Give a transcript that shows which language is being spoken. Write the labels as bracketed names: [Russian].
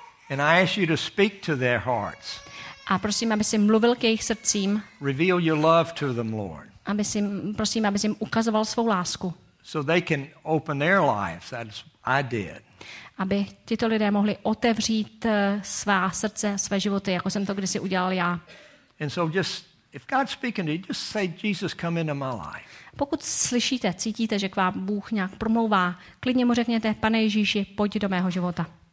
[English] And I ask you to speak to their hearts. [Czech] A prosím, aby jsi mluvil k jejich srdcím. [English] Reveal your love to them, Lord. [Czech] Aby jsi, prosím, aby jsi jim ukazoval svou lásku. [English] So they can open their lives. That's I did. [Czech] Aby tito lidé mohli otevřít svá srdce, své životy, jako jsem to kdysi udělal já. [English] And so just, if God's speaking to you, just say, Jesus, come into my life. [Czech] Pokud slyšíte, cítíte, že k vám Bůh nějak promlouvá, klidně mu řekněte, Pane Ježíši, pojď do mého života.